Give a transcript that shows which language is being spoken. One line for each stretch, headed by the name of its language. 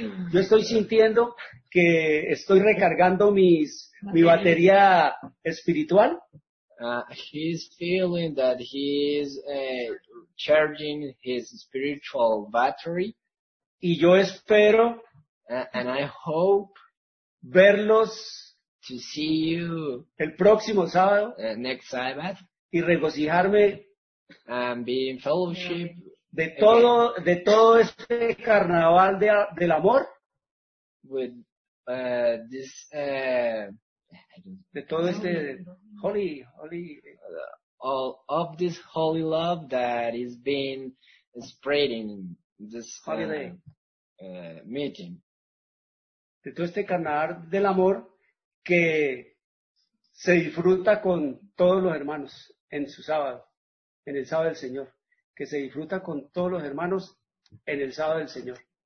Spanish: Yo estoy sintiendo que estoy recargando mi batería espiritual.
English: He's feeling that he is charging his spiritual battery.
Spanish: Y yo espero.
English: And I hope
Spanish: verlos,
English: to see you
Spanish: el próximo sábado,
English: next Sabbath,
Spanish: y regocijarme,
English: and be in fellowship
Spanish: de todo este carnaval del amor,
English: with this
Spanish: de todo este
English: holy all of this holy love that is being spreading this holiday meeting.
Spanish: De todo este canal del amor que se disfruta con todos los hermanos en su sábado, en el sábado del Señor. Que se disfruta con todos los hermanos en el sábado del Señor.